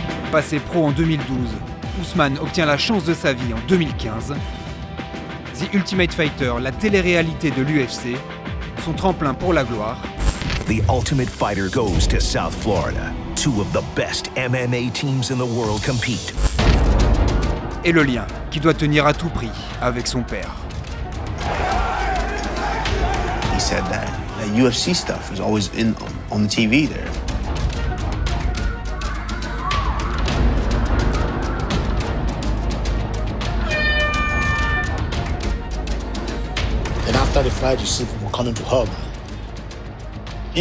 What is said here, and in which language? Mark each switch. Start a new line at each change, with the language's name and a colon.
French: Passé pro en 2012, Usman obtient la chance de sa vie en 2015. The Ultimate Fighter, la télé-réalité de l'UFC, son tremplin pour la gloire.
English: The Ultimate Fighter goes to South Florida. Two of the best MMA teams in the world compete.
French: Et le lien qui doit tenir à tout prix avec son père.
English: He said that the UFC stuff is always in on the TV there. And after the fight, you see people coming to hug me.